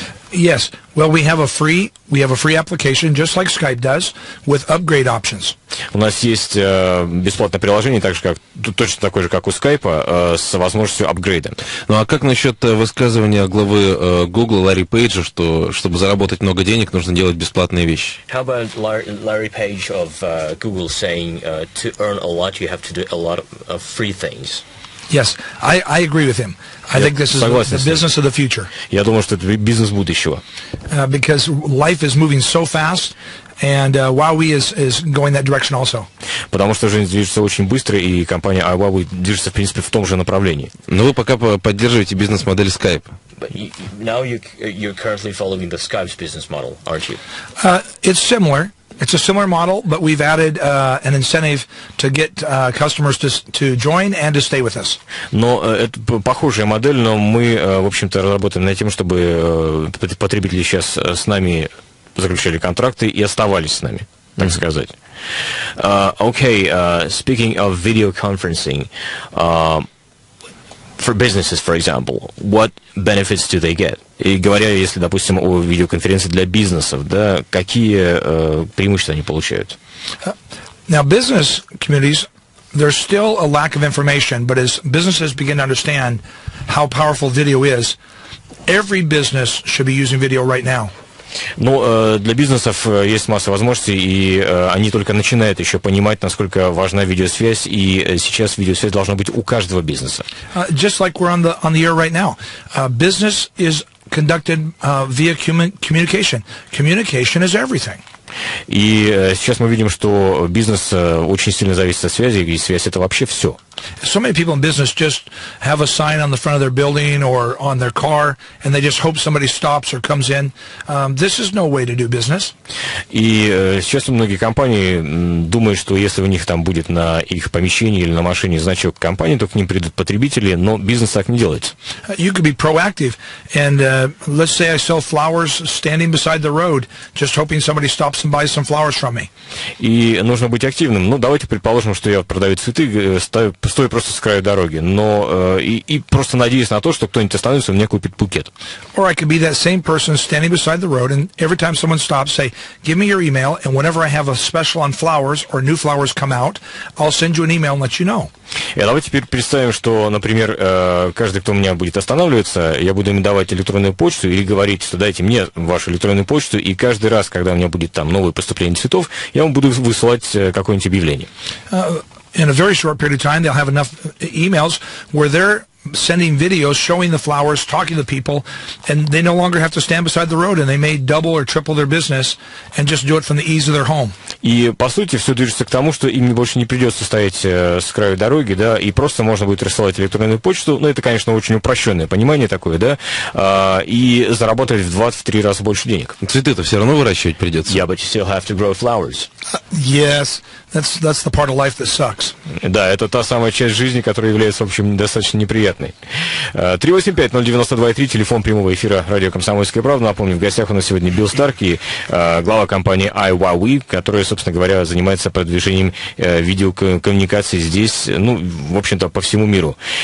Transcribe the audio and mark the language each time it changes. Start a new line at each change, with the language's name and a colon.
English: Yes. Well, we have a free application, just like Skype does, with upgrade options.
Russian: У нас есть бесплатное приложение, так же как точно такое же, как у Skype, с возможностью апгрейда. Ну а как насчет высказывания главы Google Ларри Пейджа, что чтобы заработать много денег, нужно делать бесплатные вещи?
English: How about Larry Page of Google saying to earn a lot, you have to do a lot of free things? Yes, I agree with him. I think this is the business of the future.
Russian: Я думаю, что это бизнес будущего.
English: Because life is moving so fast, and Huawei is going that direction also.
Russian: Потому что жизнь движется очень быстро, и компания Huawei движется, в принципе, в том же направлении. Но вы пока поддерживаете бизнес-модель Skype.
English: But now you're currently following the Skype's business model, aren't you? It's similar. It's a similar model, but we've added an incentive to get customers to join and to stay with us.
Russian: Но это похожая модель, но мы, в общем-то, работаем над тем, чтобы потребители сейчас с нами заключали контракты и оставались с нами, так сказать.
English: Okay, speaking of video conferencing, for businesses, for example, what benefits do they get?
Russian: И говоря, если, допустим, о видеоконференции для бизнесов, да, какие преимущества они получают?
English: Now, business communities, there's still a lack of information, but as businesses begin to understand how powerful video is, every business should be using video right now.
Russian: Ну, для бизнесов есть масса возможностей, и они только начинают еще понимать, насколько важна видеосвязь, и сейчас видеосвязь должна быть у каждого бизнеса.
English: Just like we're on the air right now. Business is conducted via communication. Communication is everything.
Russian: И сейчас мы видим, что бизнес очень сильно зависит от связи, и связь это вообще все.
English: So many people in business just have a sign on the front of their building or on their car, and they just hope somebody stops or comes in. This is no way to do business.
Russian: И сейчас многие компании думают, что если у них там будет на их помещении или на машине значок компании, то к ним придут потребители, но бизнес так не делается.
English: You could be proactive, and let's say I sell flowers standing beside the road, just hoping somebody stops and buys some flowers from me.
Russian: И нужно быть активным. Ну, давайте предположим, что я продаю цветы, стою просто с краю дороги, но и просто надеюсь на то, что кто-нибудь остановится и мне купит букет.
English: Or I could be that same person standing beside the road, and every time someone stops, say, give me your email, and whenever I have a special on flowers or new flowers come out, I'll send you an email and let you know.
Russian: И давайте теперь представим, что, например, каждый, кто у меня будет останавливаться, я буду им давать электронную почту или говорить, что дайте мне вашу электронную почту, и каждый раз, когда у меня будет там новое поступление цветов, я вам буду высылать какое-нибудь объявление.
English: In a very short period of time, they'll have enough emails where they're sending videos, showing the flowers, talking to people, and they no longer have to stand beside the road, and they may double or triple their business and just do it from the ease of their home.
Russian: И, по сути, все движется к тому, что им больше не придется стоять с краю дороги, да, и просто можно будет рассылать электронную почту, ну, это, конечно, очень упрощенное понимание такое, да, и заработать в 23 раза больше денег. Цветы-то все равно выращивать придется.
English: Yeah, but you still have to grow flowers. Yes, that's the part of life that sucks.
Russian: Да, это та самая часть жизни, которая является, в общем, достаточно неприятной. 385-092-3, телефон прямого эфира радио «Комсомольская правда». Напомню, в гостях у нас сегодня Билл Старк и глава компании iWawi, которая, собственно говоря, занимается продвижением видеокоммуникации здесь, ну, в общем-то, по всему миру.